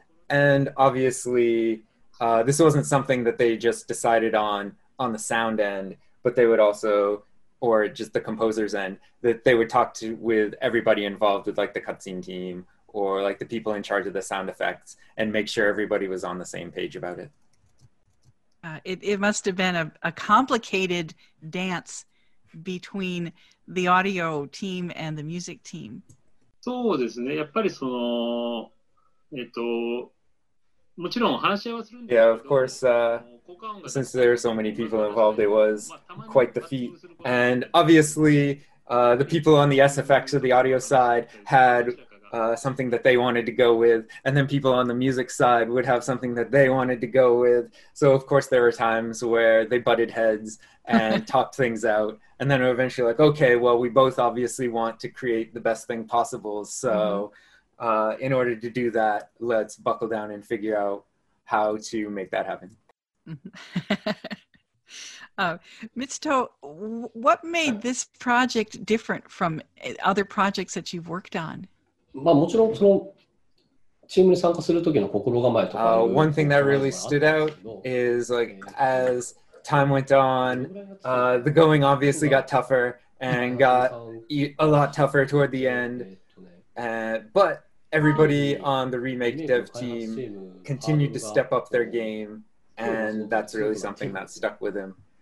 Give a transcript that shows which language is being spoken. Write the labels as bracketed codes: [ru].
[en] And obviously, this wasn't something that they just decided on the sound end, but they would also, or just the composer's end, that they would talk to with everybody involved with like the cutscene team or like the people in charge of the sound effects and make sure everybody was on the same page about it. It must have been a complicated dance between the audio team and the music team. [ja] そうですね。やっぱりその、もちろん話し合わせるんですけど。 [en] Yeah, of course, since there are so many people involved, it was quite the feat. And obviously, the people on the SFX or the audio side had something that they wanted to go with, and then people on the music side would have something that they wanted to go with. So of course there were times where they butted heads and talked things out, and then eventually like, okay, well, we both obviously want to create the best thing possible, so in order to do that, let's buckle down and figure out how to make that happen. Mitsuto, what made this project different from other projects that you've worked on? [ja] まあ、もちろんそのチームに参加する時の心構えとかある。 [en] One thing that really stood out is like as time went on, the going obviously got tougher and got a lot tougher toward the end. But everybody on the remake dev team continued to step up their game, and that's really something that stuck with him.